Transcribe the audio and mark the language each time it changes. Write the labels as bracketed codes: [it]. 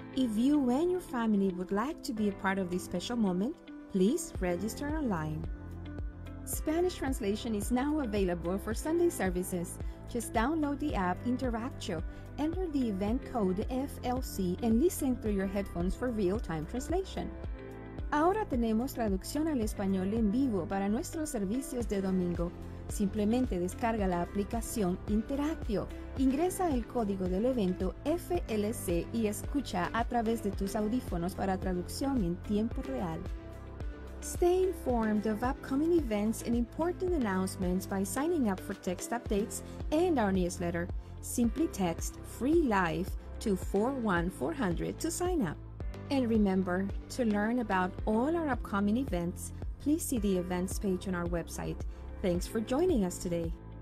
[en] If you and your family would like to be a part of this special moment, please register online. Spanish translation is now available for Sunday services. Just download the app Interactio, enter the event code FLC, and listen through your headphones for real-time translation. [es] Ahora tenemos traducción al español en vivo para nuestros servicios de domingo. Simplemente descarga la aplicación Interactio. Ingresa el código del evento FLC y escucha a través de tus audífonos para traducción en tiempo real. [en] Stay informed of upcoming events and important announcements by signing up for text updates and our newsletter. Simply text FREE LIFE to 41400 to sign up. And remember, to learn about all our upcoming events, please see the events page on our website. Thanks for joining us today.